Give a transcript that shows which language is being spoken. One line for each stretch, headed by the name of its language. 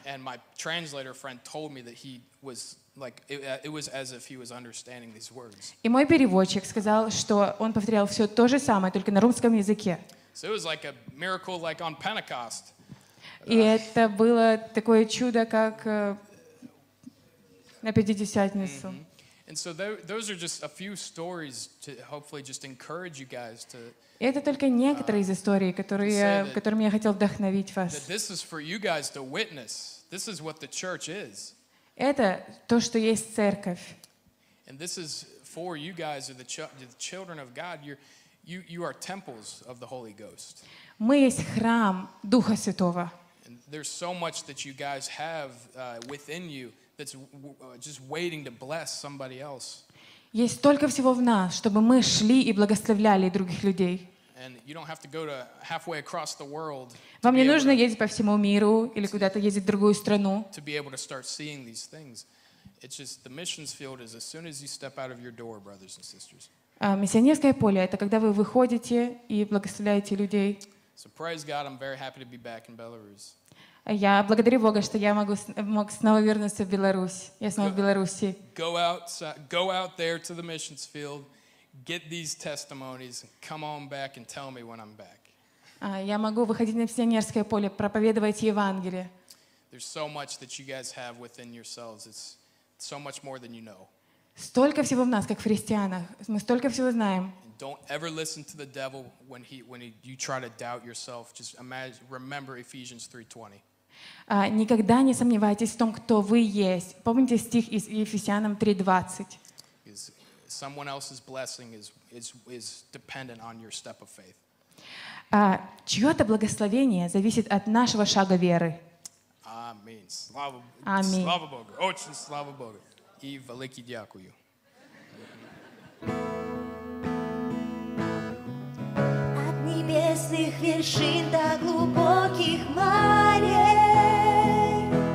English: And my translator friend told me that he was like it was as if he was understanding these words.
Russian: И мой переводчик сказал, что он повторял все то же самое, только на русском языке.
English: So it was like a miracle like on Pentecost.
Russian: И это было такое чудо, как на Пятидесятницу.
English: And so those are just a few stories to hopefully just encourage you guys to.
Russian: И это только некоторые из историй, которыми я хотел вдохновить вас.
English: This is for you guys to witness. This is what the church is.
Russian: Это то, что есть церковь.
English: And this is for you guys, or the children of God. You are temples of the Holy Ghost.
Russian: Мы есть храм Духа Святого.
English: And there's so much that you guys have within you that's just waiting to bless somebody else.
Russian: Есть столько всего в нас, чтобы мы шли и благословляли других людей.
English: And you don't have to go to halfway across the world.
Russian: Вам не нужно ездить по всему миру или куда-то ездить в другую страну.
English: To be able to start seeing these things. It's just the missions field is as soon as you step out of your door, brothers and sisters.
Russian: Миссионерское поле это когда вы выходите и благословляете людей.
English: So praise God, I'm very happy to be back in Belarus.
Russian: Я благодарю Бога, что я мог снова вернуться в Беларусь. Я снова в Беларуси.
English: Go out there to the missions field, get these testimonies, come on back and tell me when I'm back.
Russian: Я могу выходить на миссионерское поле, проповедовать Евангелие.
English: There's so much that you guys have within yourselves. It's so much more than you know.
Russian: Столько всего в нас, как в христианах. Мы столько всего знаем.
English: Don't ever listen to the devil when he you try to doubt yourself. Just imagine, remember Ephesians 3:20.
Russian: Никогда не сомневайтесь в том, кто вы есть. Помните стих из Ефесянам 3:20.
English: Someone else's blessing is dependent on your step of faith.
Russian: Чьё-то благословение зависит от нашего шага веры. Аминь. Слава Богу. Очень слава Богу.
Ukrainian: И велике дякую.
Russian: Небесных вершин до глубоких морей.